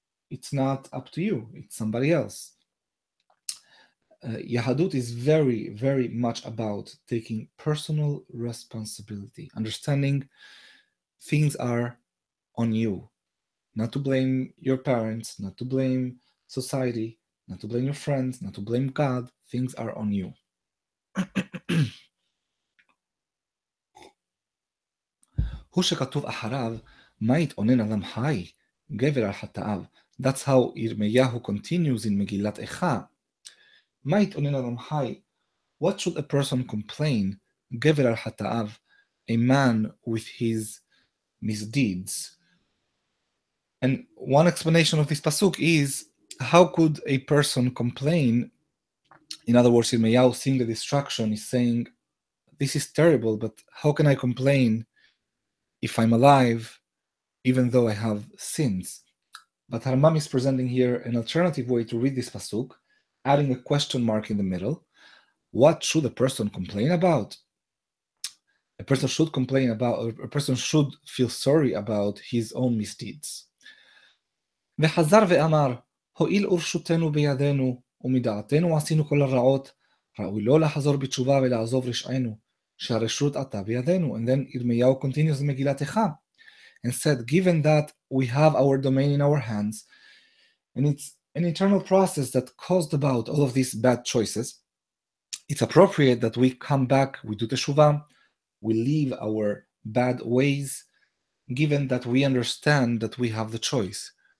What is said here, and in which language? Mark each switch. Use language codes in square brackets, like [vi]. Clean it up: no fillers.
[en] It's not up to you, it's somebody else. Yahadut is very, very much about taking personal responsibility, understanding things are on you. Not to blame your parents, not to blame society, not to blame your friends, not to blame God, things are on you. [he] הוא שכתוב אחריו, מה יתעונן אדם חי, גבר על חטאיו. [en] That's how Yirmiyahu continues in Megillat Echa. [he] Mait onen adam hai. [en] What should a person complain? [he] Gever al hata'av, [en] a man with his misdeeds. And one explanation of this pasuk is, how could a person complain? In other words, Yirmiyahu, seeing the destruction, is saying, this is terrible, but how can I complain if I'm alive, even though I have sins? But Harmam is presenting here an alternative way to read this pasuk, adding a question mark in the middle. What should a person complain about? A person should complain about, or a person should feel sorry about his own misdeeds. [he] וחזר ואמר, הועיל ורשותנו בידינו, ומדעתנו עשינו כל הרעות, ראוי לא לחזור בתשובה ולעזוב רשענו, שהרשות עתה בידינו. [en] And then ירמיהו continues מגילת איכה, and said, given that we have our domain in our hands, and it's an internal process that caused about all of these bad choices, it's appropriate that we come back, we do teshuva, we leave our bad ways, given that we understand that we have the choice.